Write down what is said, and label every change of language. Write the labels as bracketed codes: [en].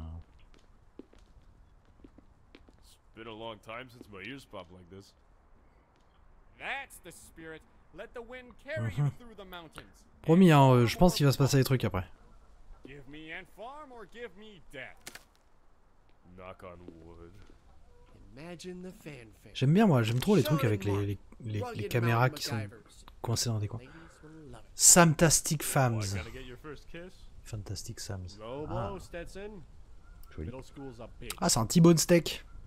[en] It's been a long time since my ears popped like this. That's the spirit. Let the wind carry you through the mountains. [fr] Promis, hein, je pense qu'il va se passer des trucs après. [en] Give me and farm or give me death. Knock on wood. Imagine the fanfare. [fr] J'aime bien, moi, j'aime trop les trucs avec les caméras qui sont coincées dans des coins. [en] Samtastic Fams. Fantastic Sams. Ah. Stetson. [fr] Joli. Ah, c'est un T-Bone Steak.